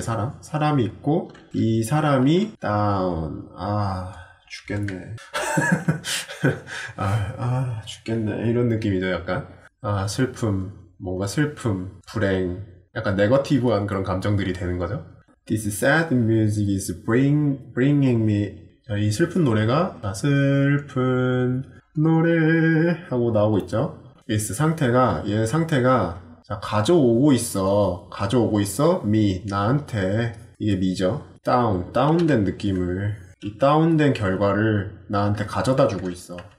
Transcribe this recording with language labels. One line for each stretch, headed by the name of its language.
Korean: 사람 사람이 있고 이 사람이 다운 아 죽겠네 아 죽겠네 이런 느낌이죠. 약간 아 슬픔 뭔가 슬픔 불행 약간 네거티브한 그런 감정들이 되는 거죠.
English: This sad music is bringing me.
Korean: 자, 이 슬픈 노래가 나 슬픈 노래 하고 나오고 있죠. is 상태가 얘 상태가 자, 가져오고 있어. 가져오고 있어. me 나한테 이게 me죠. down된 느낌을 이 다운된 결과를 나한테 가져다 주고 있어.